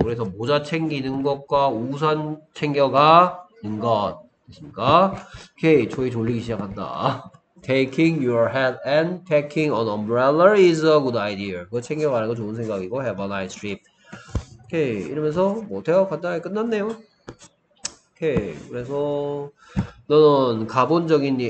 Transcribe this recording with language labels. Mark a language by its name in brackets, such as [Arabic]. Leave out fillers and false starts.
[Korean] 그래서 모자 챙기는 것과 우산 챙겨가는 것. 됐습니까? 오케이. 저희 졸리기 시작한다. [English] Taking your hat and packing an umbrella is a good idea. [Korean] 그거 챙겨가는 거 좋은 생각이고. [English] Have a nice trip. [Korean] 오케이. 이러면서 뭐 대화 간단하게 끝났네요. 오케이. 그래서 너는 가본 적 있니?